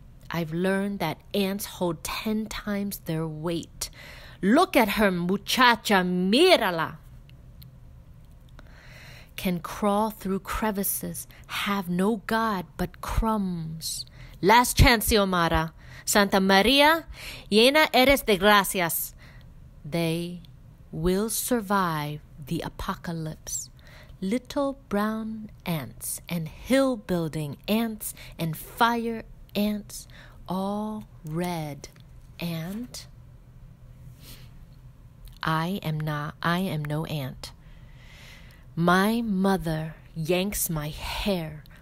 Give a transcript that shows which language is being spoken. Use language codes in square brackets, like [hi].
[en] I've learned that ants hold 10 times their weight. Look at her, [es] muchacha, mírala. [en] Can crawl through crevices, have no God but crumbs. Last chance, Xiomara. [es] Santa Maria, llena eres de gracias. [en] They will survive the apocalypse. Little brown ants and hill-building ants and fire ants, all red. And I am no ant. My mother yanks my hair,